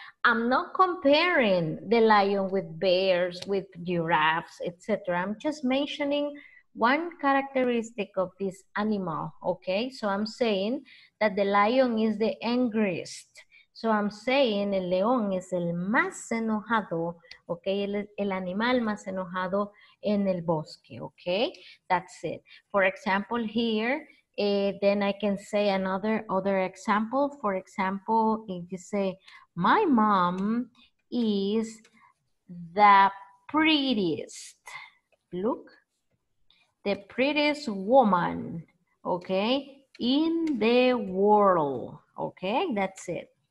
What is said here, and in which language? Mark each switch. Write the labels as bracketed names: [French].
[English] I'm not comparing the lion with bears, with giraffes, etc. I'm just mentioning one characteristic of this animal, okay? So I'm saying that the lion is the angriest. So I'm saying [Spanish] el león es el más enojado, okay? El animal más enojado en el bosque, okay? [English] That's it. For example, here, then I can say another example. For example, if you say, my mom is the prettiest. Look. The prettiest woman, okay, in the world, okay, that's it.